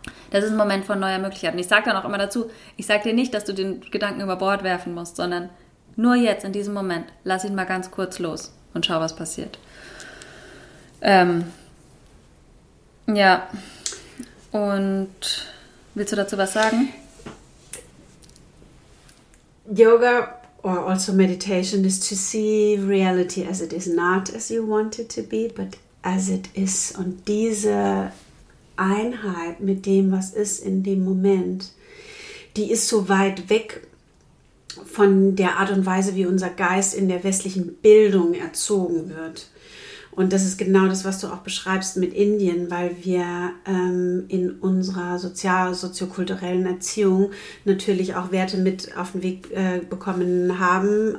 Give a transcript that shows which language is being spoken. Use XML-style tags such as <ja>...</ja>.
<de>Das ist ein Moment von neuer Möglichkeiten. Ich sage dann auch immer dazu, ich sage dir nicht, dass du den Gedanken über Bord werfen musst, sondern nur jetzt, in diesem Moment, lass ihn mal ganz kurz los und schau, was passiert. Ja. Und willst du dazu was sagen?</de> <en>Yoga or also meditation is to see reality as it is, not as you want it to be, but as it is.</en> <de>Und diese Einheit mit dem, was ist in dem Moment, die ist so weit weg von der Art und Weise, wie unser Geist in der westlichen Bildung erzogen wird. Und das ist genau das, was du auch beschreibst mit Indien, weil wir in unserer soziokulturellen Erziehung natürlich auch Werte mit auf den Weg bekommen haben.</de>